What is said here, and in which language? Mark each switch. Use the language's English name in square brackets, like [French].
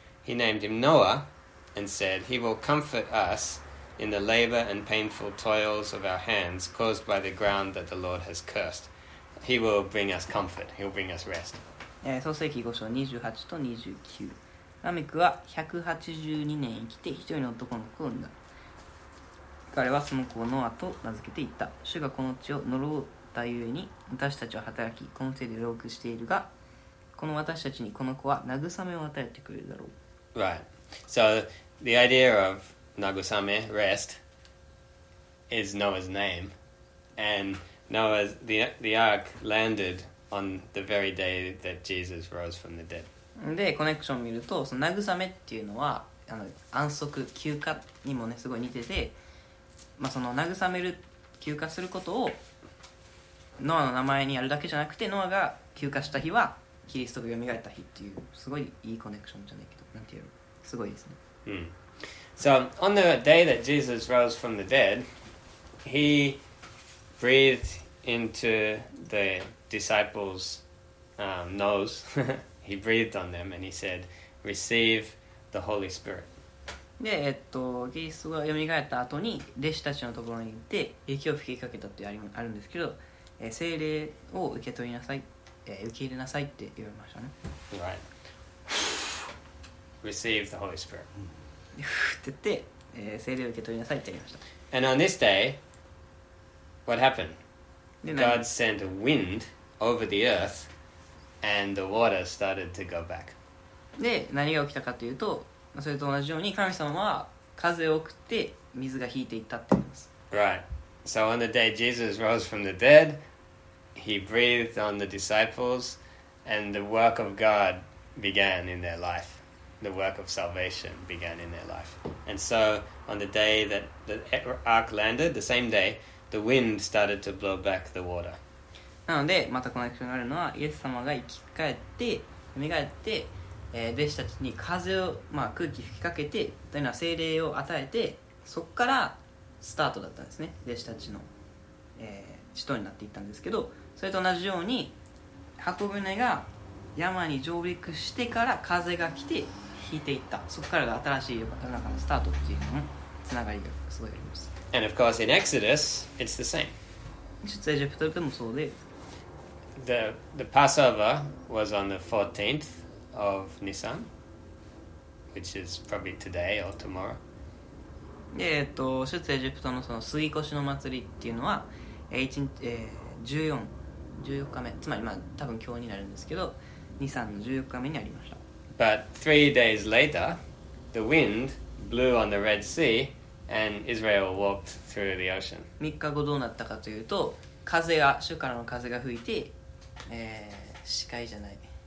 [English] He named him Noah and said, He will comfort us. In the labor and painful toils of our hands caused by the ground that the Lord has cursed, He will bring us comfort. He will bring us rest. [Japanese] 創世記5章28と29。ラメクは182年生きて一人の男の子を産んだ。彼はその子をノアと名付けていった。主がこの地を呪うたゆえに私たちは働きこの手で労苦しているが、この私たちにこの子は慰めを与えてくれるだろう。 [English] Right. So the idea of Nagusame, rest, is Noah's name. And Noah's, the ark landed on the very day that Jesus rose from the dead. [Japanese] で、コネクションを見ると、その慰めっていうのは、あの安息、休暇にもね、すごい似てて、まあ、その慰める、休暇することを、ノアの名前にやるだけじゃなくて、ノアが休暇した日は、キリストが蘇った日っていう、すごいいいコネクションじゃないけど、なんていうの、すごいですね。うん。 [English] So, on the day that Jesus rose from the dead, he breathed into the disciples' nose. he breathed on them and he said, Receive the Holy Spirit. [Japanese] で、キリストが蘇った後に、弟子たちのところに行って、息を吹きかけたってあるんですけど、聖霊を受け取りなさい、受け入れなさいって言われましたね。 [English] Right. receive the Holy Spirit. [Japanese] って言って、聖霊を受け取りなさいって言いました。 [English] And on this day, what happened? God sent a wind over the earth, and the water started to go back. [Japanese] で、何が起きたかというと、それと同じように神様は風を送って水が引いていったって言います。 [English] Right. So on the day Jesus rose from the dead, he breathed on the disciples, and the work of God began in their life. The work of salvation began in their life. And so on the day that the ark landed, the same day, the wind started to blow back the water. [Japanese] なので、またコネクションがあるのは、イエス様が生き返って、蘇って、弟子たちに風を、まあ、空気吹きかけて、というのは聖霊を与えて、そこからスタートだったんですね。弟子たちの、使徒になっていったんですけど、それと同じように、箱舟が山に上陸してから風が来て引いていった。そこからが新しい世の中のスタートっていうのにつながりがすごいあります。 [English] And of course, in Exodus, it's the same. [Japanese] 出エジプトでもそうで。 [English] The Passover was on the 14th of Nisan, which is probably today or tomorrow. [Japanese] で、出エジプトのその過ぎ越しの祭りっていうのは、14日目、つまりまあ多分今日になるんですけど、2、3の14日目にありました。 [English] But 3 days later, the wind blew on the Red Sea, and Israel walked through the ocean. [Japanese] 3日後どうなったかというと、風が、主からの風が吹いて、視界じゃない。